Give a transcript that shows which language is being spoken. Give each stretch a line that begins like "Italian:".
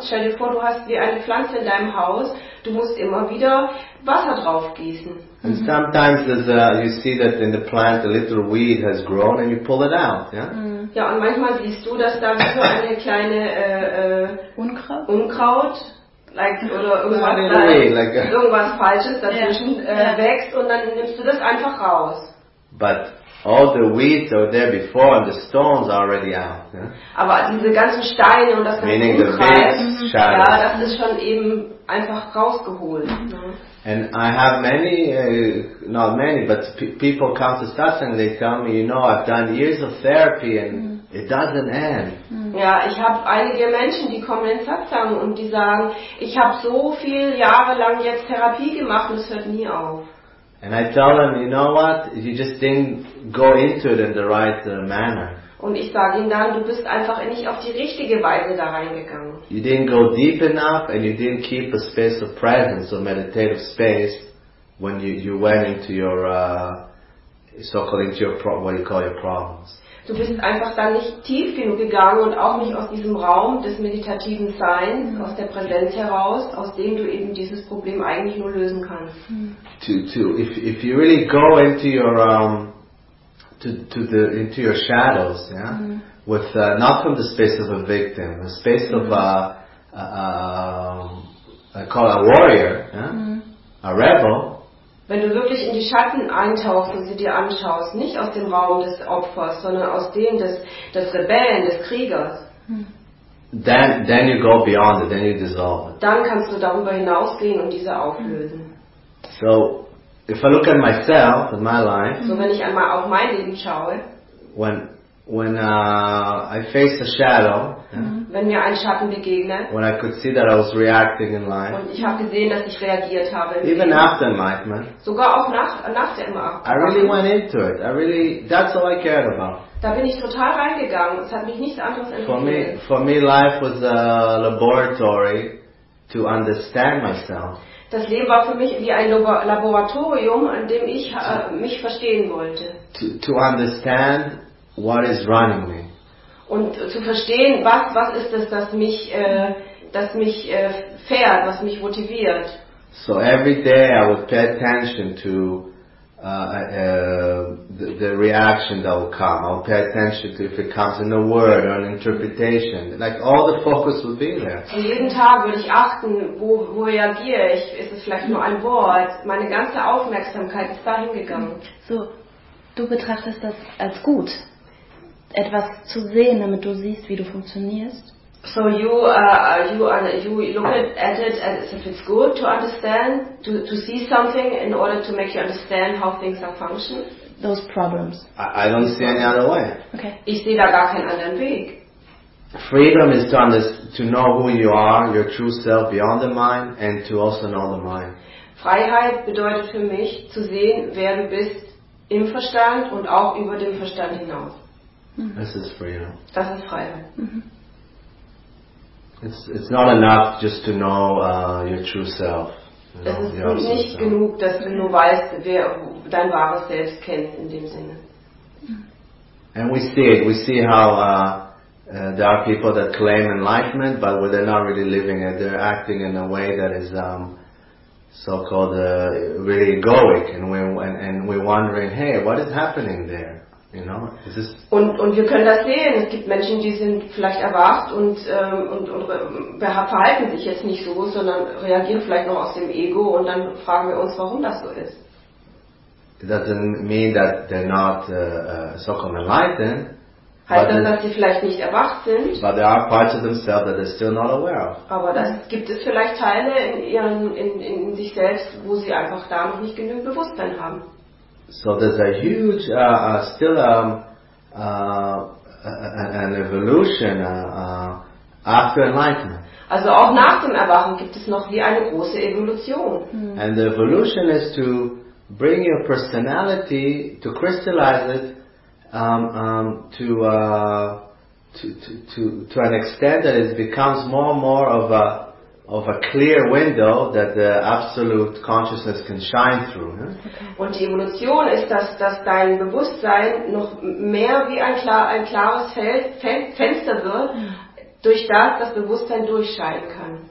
German: Stell dir vor, du hast wie eine Pflanze in deinem Haus. Du musst immer wieder Wasser drauf gießen.
English: And sometimes you see that in the plant a little weed has grown and you pull it out. Yeah?
German: Ja, und manchmal siehst du, dass da so eine kleine Unkraut
English: like,
German: oder irgendwas Falsches dazwischen wächst und dann nimmst du das einfach raus.
English: But all the weeds are there before and the stones are already out. Yeah?
German: Aber diese ganzen Steine und das ganze Unkraut, ja, das ist schon eben einfach rausgeholt.
English: And I have many, not many, but people come to Satsang, they tell me, you know, I've done years of therapy and it doesn't end.
German: Ja, ich habe einige Menschen, die kommen in Satsang und die sagen, ich habe so viel jahrelang jetzt Therapie gemacht und es hört nie auf.
English: And I tell them, you know what, you just didn't go into it in the right manner.
German: Und ich sage ihnen dann, du bist einfach nicht auf die richtige Weise da reingegangen.
English: You didn't go deep enough and you didn't keep a space of presence or meditative space when you went into your so-called into your what you call your problems.
German: Du bist einfach dann nicht tief genug gegangen und auch nicht aus diesem Raum des meditativen Seins, aus der Präsenz heraus, aus dem du eben dieses Problem eigentlich nur lösen kannst.
English: If you really go into your into your shadows, yeah, with not from the space of a victim, the space of I call it a warrior, a rebel.
German: Wenn du wirklich in die Schatten eintauchst und sie dir anschaust, nicht aus dem Raum des Opfers, sondern aus dem des Rebellen, des Kriegers.
English: Then you go beyond it. Then you dissolve it.
German: Dann kannst du darüber hinausgehen und diese auflösen.
English: So. If I look at myself and my life,
German: so wenn ich einmal auf mein Leben schaue,
English: when I face a shadow,
German: wenn mir ein Schatten begegnet,
English: when I could see that I was reacting in life,
German: und ich habe gesehen, dass ich reagiert habe,
English: even after enlightenment,
German: sogar auch nach der Enlightenment,
English: I really went into it. I really, that's all I cared about.
German: Da bin ich total reingegangen. Es hat mich nichts anderes interessiert.
English: For me, life was a laboratory to understand myself.
German: Das Leben war für mich wie ein Laboratorium, in dem ich mich verstehen wollte.
English: To understand what is running me.
German: Und zu verstehen, was ist es, das mich fährt, was mich motiviert.
English: So every day I would pay attention to the reaction that will come. I'll pay attention to if it comes in a word or an interpretation. Like all the focus will be there.
German: So jeden Tag würde ich achten, wo reagiere ich? Ist es vielleicht nur ein Wort? Meine ganze Aufmerksamkeit ist dahin gegangen. So, du betrachtest das als gut, etwas zu sehen, damit du siehst, wie du funktionierst.
English: So you look at it as if it's good to understand, to see something in order to make you understand how things are functioning. Those problems. I don't see any other way. Okay.
German: Ich sehe da gar keinen anderen Weg.
English: Freedom is to know who you are, your true self beyond the mind, and to also know the mind.
German: Freiheit bedeutet für mich zu sehen, wer du bist im Verstand und auch über den Verstand hinaus.
English: This is freedom.
German: Das ist Freiheit.
English: It's not enough just to know your true self. You know,
German: es ist nicht genug, dass du nur weißt, wer dein wahres Selbst kennt in dem Sinne.
English: And we see it. We see how there are people that claim enlightenment, but well, they're not really living it. They're acting in a way that is so-called really egoic. And we're wondering, hey, what is happening there? You know, is this
German: und wir können das sehen. Es gibt Menschen, die sind vielleicht erwacht und verhalten sich jetzt nicht so, sondern reagieren vielleicht noch aus dem Ego und dann fragen wir uns, warum das so ist.
English: It doesn't mean that they're not so-called enlightened.
German: Heißt das, dass sie vielleicht nicht erwacht sind?
English: But there are parts of themselves that they're still not aware of.
German: Aber das gibt es vielleicht Teile in sich selbst, wo sie einfach da noch nicht genügend Bewusstsein haben.
English: So there's a huge, still a an evolution after enlightenment.
German: Also auch nach dem Erwachen gibt es noch wie eine große Evolution. Hmm.
English: And the evolution is to bring your personality, to crystallize it, to an extent that it becomes more and more of a clear window that the absolute consciousness can shine through.
German: Ne? Und die Evolution ist, dass dein Bewusstsein noch mehr wie ein klares Fenster wird, durch das Bewusstsein durchscheinen kann.